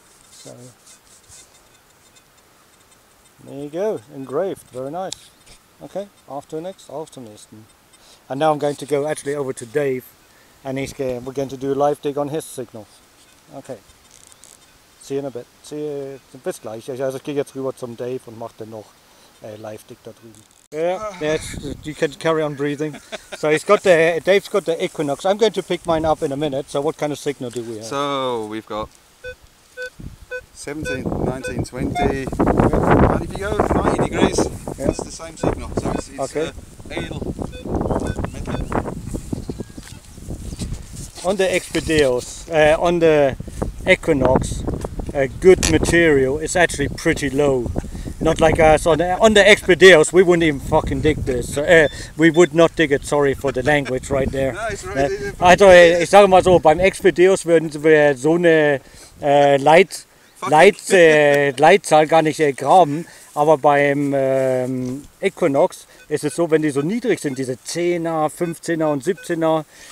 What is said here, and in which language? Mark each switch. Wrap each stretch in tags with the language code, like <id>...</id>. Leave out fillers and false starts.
<en>So, there you go. Engraved. Very nice. Okay. After next. After next. And now I'm going to go actually over to Dave. And he's going, we're going to do a live dig on his signal. Okay. See you in a bit. See you.</en> <de>Bis gleich. Also, ich gehe jetzt rüber zum Dave und mache dann noch live dig da drüben.</de> <en>Yeah, you can carry on breathing. So he's got the Dave's got the Equinox. I'm going to pick mine up in a minute. So what kind of signal do we have? So we've got 17, 19, 20. Yeah. And if you go 90 degrees, yeah, it's the same signal. So it's okay. Ale. On the Expedios, on the Equinox, good material is actually pretty low. Not like us on the Expedios, we wouldn't even fucking dig this. We would not dig it. Sorry for the language right there. No, it's right.</en> <de>Also, ich sage mal so, beim Expedios würden wir so eine Leitzahl gar nicht graben. Aber beim Equinox ist es so, wenn die so niedrig sind, diese 10er, 15er und 17er.</de>